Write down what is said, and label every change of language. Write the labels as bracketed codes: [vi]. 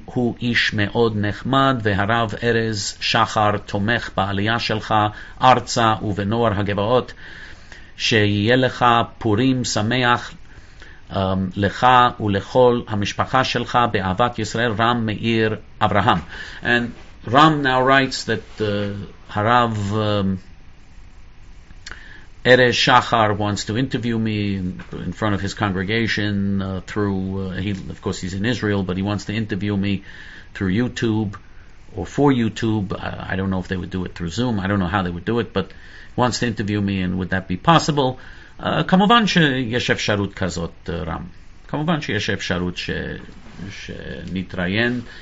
[he] הוא איש מאוד נחמד, והרב ארז שחר תומך בעלייה שלך ארצה ובנוער הגבעות. שיהיה לך פורים שמח, לך ולכל המשפחה שלך באהבת ישראל, רם מאיר אברהם. [en] And Ram now writes that הרב ארז שחר wants to interview me in front of his congregation through he, of course he's in Israel, but he wants to interview me through YouTube or for YouTube. I don't know if they would do it through Zoom, I don't know how they would do it, but he wants to interview me, and would that be possible? [he] כמובן שיש אפשרות כזאת, רם. כמובן שיש אפשרות שנתראיין.